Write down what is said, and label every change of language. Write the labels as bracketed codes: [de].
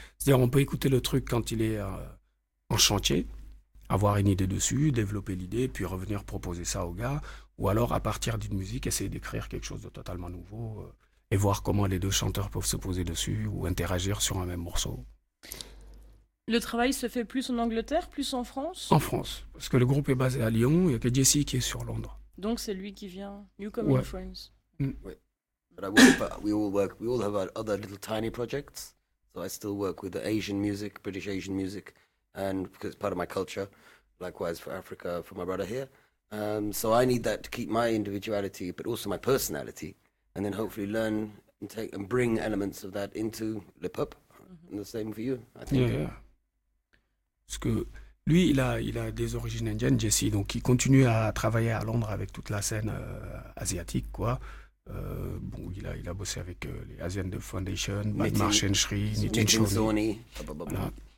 [fr] C'est-à-dire, on peut écouter le truc quand il est en chantier, avoir une idée dessus, développer l'idée, puis revenir proposer ça au gars, ou alors à partir d'une musique, essayer d'écrire quelque chose de totalement nouveau et voir comment les deux chanteurs peuvent se poser dessus ou interagir sur un même morceau. Le travail se fait plus en Angleterre, plus en France. En France, parce que le groupe est basé à Lyon, il n'y a que Jesse qui est sur Londres. Donc c'est lui qui vient, Newcomer Ouais. [en] Friends. [fr] Oui. [en] But I work, but we all work, we all have our other little tiny projects. So I still work with the Asian music, British Asian music, and because it's part of my culture, likewise for Africa, for my brother here. So I need that to keep my individuality, but also my personality, and then hopefully learn and take and bring elements of that into Le Peuple. And the same for you, I think. Yeah. [fr] Parce que lui, il a des origines indiennes, Jesse, donc il continue à travailler à Londres avec toute la scène asiatique, quoi. Bon, il a bossé avec les Asian Dub Foundation, Bad Marsh and Meeting Shree, Nitin Choni. Zoni, blah, blah, blah. Voilà.